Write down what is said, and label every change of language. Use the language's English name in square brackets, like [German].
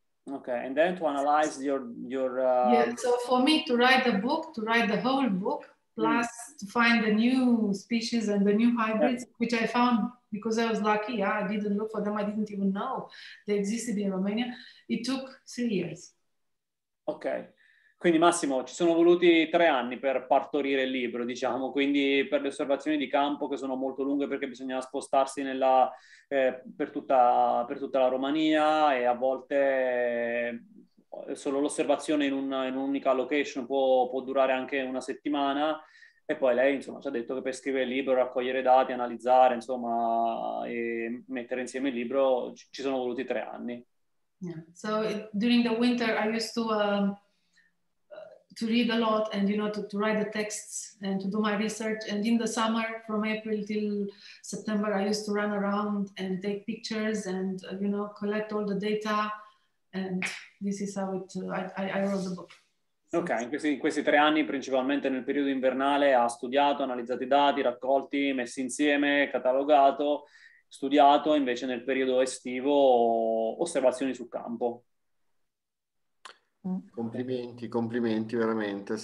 [English] Okay, and then to analyze your So for me to write a book, to write the whole book, plus to find the new species and the new hybrids, which I found because I was lucky. Yeah, I didn't look for them. I didn't even know they existed in Romania. It took 3 years. Okay. [Italian] Quindi Massimo, ci sono voluti 3 anni per partorire il libro, diciamo, quindi per le osservazioni di campo che sono molto lunghe perché bisogna spostarsi per tutta la Romania e a volte solo l'osservazione in un'unica location può durare anche una settimana. E poi lei, insomma, ci ha detto che per scrivere il libro, raccogliere dati, analizzare, insomma, e mettere insieme il libro, ci sono voluti 3 anni. [English] Yeah. So, during the winter, I used to read a lot and, you know, to write the texts and to do my research. And in the summer, from April till September, I used to run around and take pictures and, you know, collect all the data. And this is how I wrote the book. [Italian] Ok, in questi 3 anni, principalmente nel periodo invernale, ha studiato, analizzato i dati, raccolti, messi insieme, catalogato, studiato, invece nel periodo estivo, osservazioni sul campo. Complimenti, veramente.